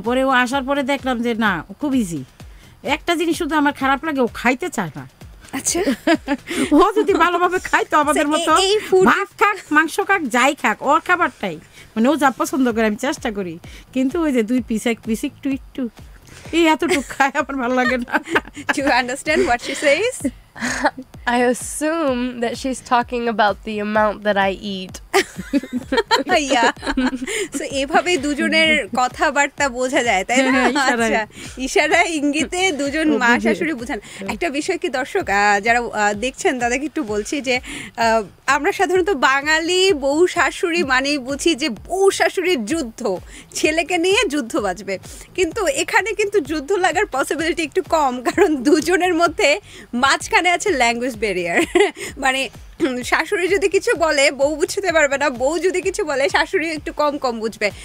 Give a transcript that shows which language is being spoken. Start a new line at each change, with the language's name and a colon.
Bangla: পরে ও আসার পরে দেখলাম যে না খুব ইজি, একটা জিনিস শুধু আমার খারাপ লাগে ও খাইতে চায় না। আচ্ছা, ও যদি ভালোভাবে খাইতো আমাদের মতো, ভাত খাক মাংস খাক যাই খাক ওর খাবারটাই, মানে ও যা পছন্দ করে আমি চেষ্টা করি, কিন্তু ওই যে দুই পিস এক পিস একটু একটু এই এতটুকু খায় আমার ভালো লাগে না।
English: Do you understand what she says? I assume that she's talking about the amount that I eat. Yeah.
Bangla: So এভাবে দুজনের কথাবার্তা বোঝা যায় তাই না? আচ্ছা, ইশারা ইঙ্গিতে দুজন মা শাশুড়ি বুঝান। একটা বিষয় কি দর্শক যারা দেখছেন তাদেরকে একটু বলছি যে আমরা সাধারণত বাঙালি বউ শাশুড়ি মানেই বুঝি যে বউ শাশুড়ির যুদ্ধ, ছেলেকে নিয়ে যুদ্ধ বাজবে, কিন্তু এখানে কিন্তু যুদ্ধ লাগার পসিবিলিটি একটু কম, কারণ দুজনের মধ্যে মাঝখানে আছে ল্যাঙ্গুয়েজ ব্যারিয়ার, মানে শাশুড়ি যদি কিছু বলে বউ বুঝতে পারবে না, বউ যদি কিছু বলে শাশুড়ি একটু কম কম বুঝবে।